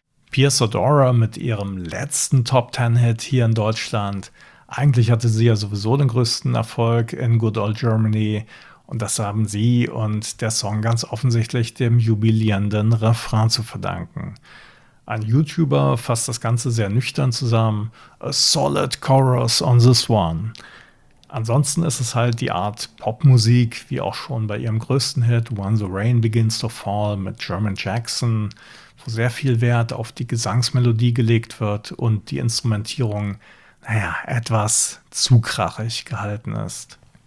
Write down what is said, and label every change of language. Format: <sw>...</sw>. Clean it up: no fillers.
<de>Pier Sadora mit ihrem letzten Top 10 Hit hier in Deutschland. Eigentlich hatte sie ja sowieso den größten Erfolg in Good Old Germany. Und das haben sie und der Song ganz offensichtlich dem jubilierenden Refrain zu verdanken. Ein YouTuber fasst das Ganze sehr nüchtern zusammen.</de> <en>A solid chorus on this one.</en> <de>Ansonsten ist es halt die Art Popmusik, wie auch schon bei ihrem größten Hit When the Rain Begins to Fall mit German Jackson, wo sehr viel Wert auf die Gesangsmelodie gelegt wird und die Instrumentierung, naja, etwas zu krachig gehalten ist.</de>